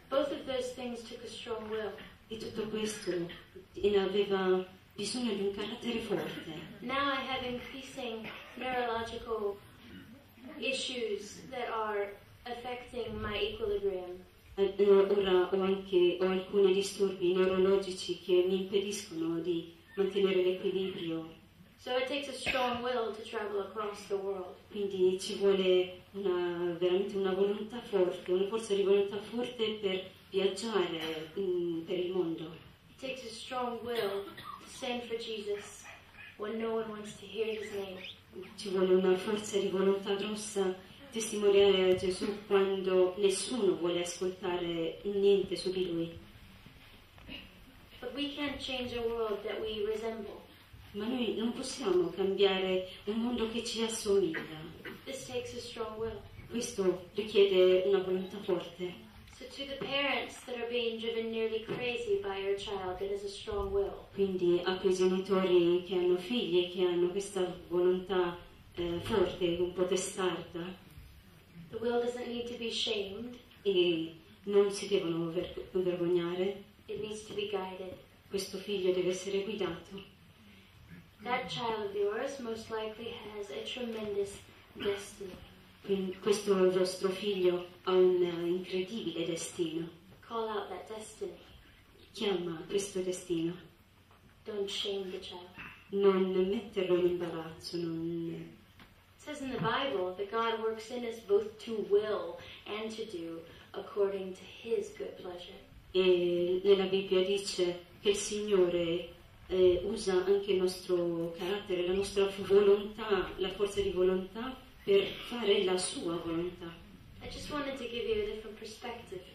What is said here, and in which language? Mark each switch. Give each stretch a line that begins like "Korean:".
English: Both of those things took a strong will.
Italian: E tutto questo ne aveva bisogno di un carattere forte.
English: Now I have increasing neurological issues that are affecting my equilibrium.
Italian: Ora ho alcuni disturbi neurologici che mi impediscono di mantenere l'equilibrio.
English: So it takes a strong will to travel across the world.
Italian: Quindi ci vuole veramente una volontà forte, una forza di volontà forte per viaggiare per il mondo.
English: It takes a strong will to send for Jesus when no one wants to hear his name.
Italian: Ci vuole una forza di volontà grossa testimoniare a Gesù quando nessuno vuole ascoltare niente su di lui.
English: But we can't change a world that we resemble.
Italian: Ma noi non possiamo cambiare un mondo che ci assomiglia.
English: This takes a strong will.
Italian: Questo richiede una volontà forte.
English: So to the parents that are being driven nearly crazy by your child, it is a strong will.
Italian: Quindi a quei genitori che hanno figli e che hanno questa volontà forte, un po' testarda.
English: The will doesn't need to be shamed.
Italian: E non si devono vergognare.
English: It needs to be guided.
Italian: Questo figlio deve essere guidato.
English: That child of yours most likely has a tremendous destiny.
Italian: Questo vostro figlio ha un incredibile destino.
English: Call out that destiny.
Italian: Chiama questo destino.
English: Don't shame the child.
Italian: Non metterlo in imbarazzo. Non...
English: It says in the Bible that God works in us both to will and to do according to His good pleasure.
Italian: E nella Bibbia dice che il Signore usa anche il nostro carattere, la nostra volontà, la forza di volontà per fare la sua volontà.
English: I just wanted to give you a different perspective.